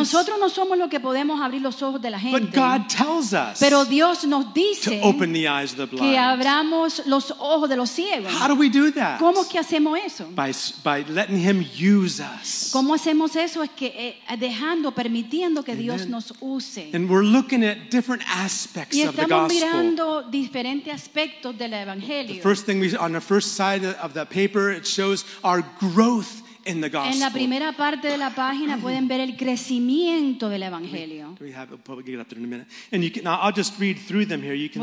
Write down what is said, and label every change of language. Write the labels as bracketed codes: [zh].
[es] Nosotros no somos los que podemos abrir los ojos de la gente. [en] But God tells us. [es] Pero Dios nos dice [en] to open the eyes of the blind. [es] Que abramos los ojos de los ciegos. [en] How do we do that? [es] ¿Cómo es que hacemos eso? [en] By letting him use us. [es] ¿Cómo hacemos eso? Es que dejando, permitiendo que Dios nos use. [en] And we're looking at different aspects of the gospel. [es] Mirando diferentes aspectos del evangelio. [en] The first thing on the first side of that paper, it shows our growth in the gospel. [es] En la primera parte de la página pueden ver el crecimiento del evangelio. [en] We have it, we'll get up there in a minute. And you can, now I'll just read through them here. You can